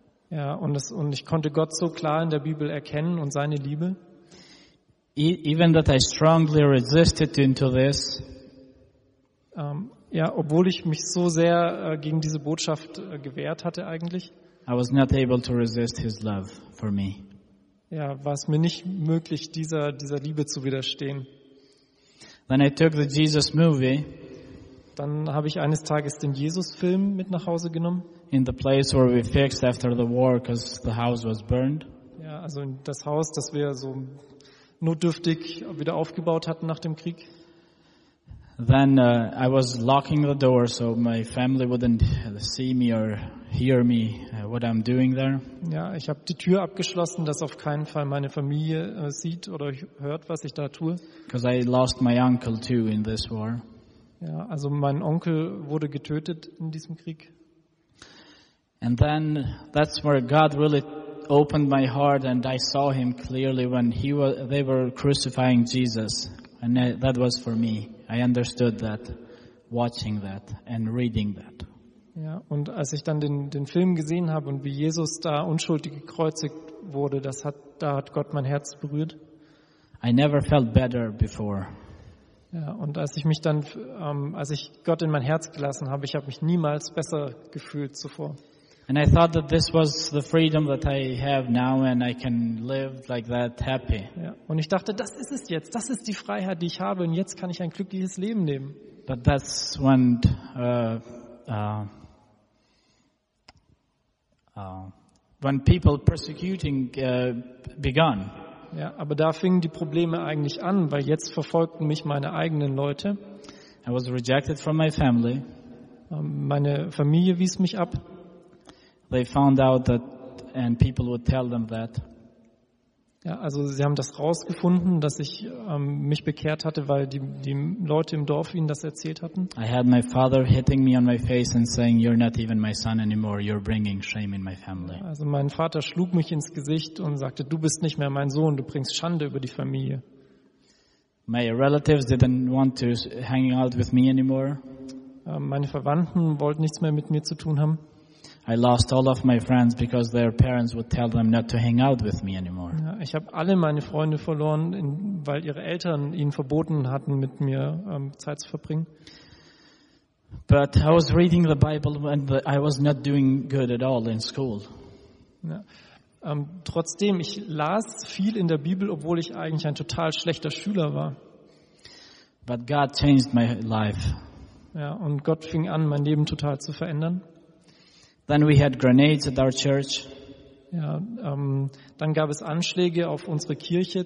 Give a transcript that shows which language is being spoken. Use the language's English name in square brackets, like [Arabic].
[German] Ja, und ich konnte Gott so klar in der Bibel erkennen und seine Liebe. [English] Even that I strongly resisted into this. [German] Ja, obwohl ich mich so sehr gegen diese Botschaft gewehrt hatte eigentlich. [English] I was not able to resist his love for me. [German] Ja, war es mir nicht möglich, dieser Liebe zu widerstehen. [English] Then I took the Jesus movie. [German] Dann habe ich eines Tages den Jesus-Film mit nach Hause genommen. [English] In the place where we fixed after the war, because the house was burned. [German] Ja, also in das Haus, das wir so notdürftig wieder aufgebaut hatten nach dem Krieg. [English] Then I was locking the door, so my family wouldn't see me or hear me what I'm doing there. [German] Ja, ich habe die Tür abgeschlossen, dass auf keinen Fall meine Familie sieht oder hört, was ich da tue. [English] Because I lost my uncle too in this war. [German] Ja, also mein Onkel wurde getötet in diesem Krieg. [English] And then that's where God really opened my heart, and I saw him clearly when they were crucifying Jesus, and that was for me. I understood that, watching that and reading that. [German] Ja, und als ich dann den Film gesehen habe und wie Jesus da unschuldig gekreuzigt wurde, da hat Gott mein Herz berührt. [English] I never felt better before. [German] Ja, und als ich mich dann als ich Gott in mein Herz gelassen habe, ich habe mich niemals besser gefühlt zuvor. [English] And I thought that this was the freedom that I have now, and I can live like that happy. [German] Ja, und ich dachte, das ist es jetzt. Das ist die Freiheit, die ich habe, und jetzt kann ich ein glückliches Leben leben. [English] But that's when when people persecuting began. [German] Ja, aber da fingen die Probleme eigentlich an, weil jetzt verfolgten mich meine eigenen Leute. [English] I was rejected from my family. [German] Meine Familie wies mich ab. [English] They found out that, and people would tell them that. [German] Ja, also sie haben das rausgefunden, dass ich mich bekehrt hatte, weil die Leute im Dorf ihnen das erzählt hatten. [English] I had my father hitting me on my face and saying, "You're not even my son anymore. You're bringing shame in my family." [German] Also mein Vater schlug mich ins Gesicht und sagte, "Du bist nicht mehr mein Sohn. Du bringst Schande über die Familie." [English] My relatives didn't want to hang out with me anymore. [German] Meine Verwandten wollten nichts mehr mit mir zu tun haben. [English] I lost all of my friends because their parents would tell them not to hang out with me anymore. [German] Ja, ich habe alle meine Freunde verloren, weil ihre Eltern ihnen verboten hatten, mit mir Zeit zu verbringen. [English] But I was reading the Bible and I was not doing good at all in school. [German] Ja. Trotzdem, ich las viel in der Bibel, obwohl ich eigentlich ein total schlechter Schüler war. But God changed my life. Ja, und Gott fing an, mein Leben total zu verändern. Then we had grenades at our church. Ja, dann gab es Anschläge auf unsere Kirche.